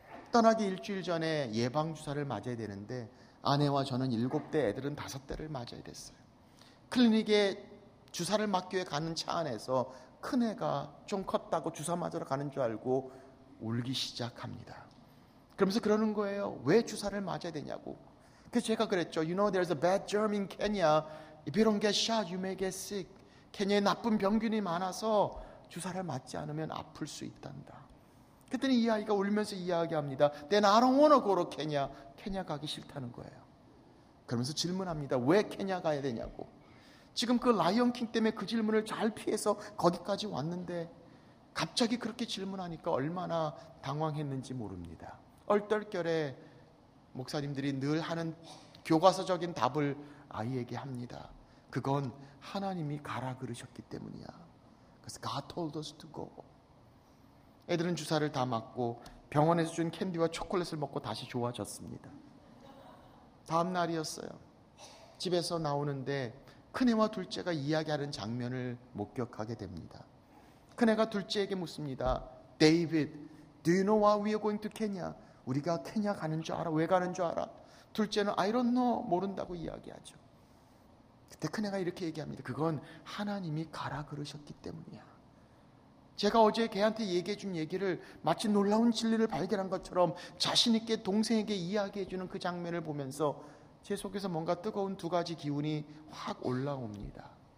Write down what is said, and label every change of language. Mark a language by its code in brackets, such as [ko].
[ko] 떠나기 일주일 전에 예방주사를 맞아야 되는데 아내와 저는 7대, 애들은 5대를 맞아야 됐어요. 클리닉에 주사를 맞기 위해 가는 차 안에서 큰애가 좀 컸다고 주사 맞으러 가는 줄 알고 울기 시작합니다. 그러면서 그러는 거예요. 왜 주사를 맞아야 되냐고. 그래서 제가 그랬죠. [en] You know there's a bad germ in Kenya. If you don't get shot, you may get sick. [ko] 케냐에 나쁜 병균이 많아서 주사를 맞지 않으면 아플 수 있단다. 그랬더니 이 아이가 울면서 이야기합니다. [en] Then I don't want to go to Kenya. [ko] 케냐 가기 싫다는 거예요. 그러면서 질문합니다. 왜 케냐 가야 되냐고. 지금 그 라이언킹 때문에 그 질문을 잘 피해서 거기까지 왔는데 갑자기 그렇게 질문하니까 얼마나 당황했는지 모릅니다. 얼떨결에 목사님들이 늘 하는 교과서적인 답을 아이에게 합니다. 그건 하나님이 가라 그러셨기 때문이야. 그래서 [en] God told us to go. [ko] 애들은 주사를 다 맞고 병원에서 준 캔디와 초콜릿을 먹고 다시 좋아졌습니다. 다음 날이었어요. 집에서 나오는데 큰애와 둘째가 이야기하는 장면을 목격하게 됩니다. 큰애가 둘째에게 묻습니다. [en] David, do you know why we are going to Kenya? [ko] 우리가 케냐 가는 줄 알아? 왜 가는 줄 알아? 둘째는 [en] I don't know, [ko] 모른다고 이야기하죠. 그때 큰애가 이렇게 얘기합니다. 그건 하나님이 가라 그러셨기 때문이야. 제가 어제 걔한테 얘기해 준 얘기를 마치 놀라운 진리를 발견한 것처럼 자신 있게 동생에게 이야기해 주는 그 장면을 보면서 제 속에서 뭔가 뜨거운 두 가지 기운이 확 올라옵니다.